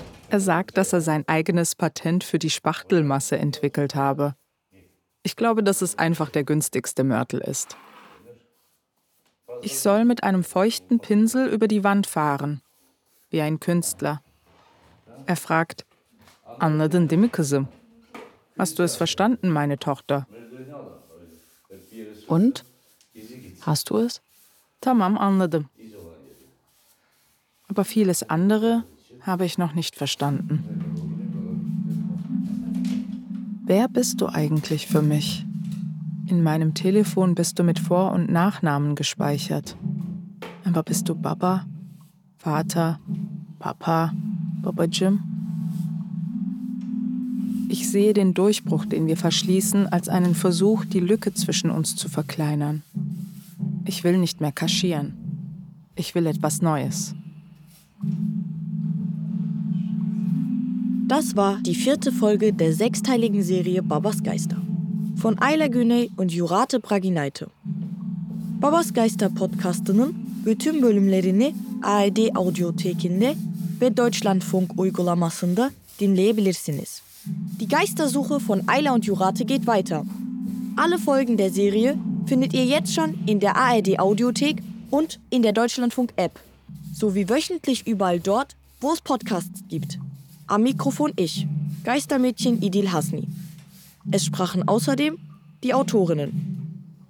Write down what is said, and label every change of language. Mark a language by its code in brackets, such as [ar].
[de] Er sagt, dass er sein eigenes Patent für die Spachtelmasse entwickelt habe. Ich glaube, dass es einfach der günstigste Mörtel ist. Ich soll mit einem feuchten Pinsel über die Wand fahren, wie ein Künstler. Er fragt, [tr] Anladın değil mi kızım? [de] Hast du es verstanden, meine Tochter? Und? Hast du es? [tr] Tamam, anladım. [de] Aber vieles andere habe ich noch nicht verstanden. Wer bist du eigentlich für mich? In meinem Telefon bist du mit Vor- und Nachnamen gespeichert. Aber bist du Baba, Vater, Papa, Baba Jim? Ich sehe den Durchbruch, den wir verschließen, als einen Versuch, die Lücke zwischen uns zu verkleinern. Ich will nicht mehr kaschieren. Ich will etwas Neues. Das war die vierte Folge der sechsteiligen Serie Babas Geister von Ayla Güney und Jurate Praginayte. [tr] Babas Geister Podcast'ının bütün bölümlerini ARD Audiothek'inde ve Deutschlandfunk uygulamasında dinleyebilirsiniz. [de] Die Geistersuche von Ayla und Jurate geht weiter. Alle Folgen der Serie findet ihr jetzt schon in der ARD Audiothek und in der Deutschlandfunk App, sowie wöchentlich überall dort, wo es Podcasts gibt. Am Mikrofon ich, Geistermädchen Idil Hasni. Es sprachen außerdem die Autorinnen.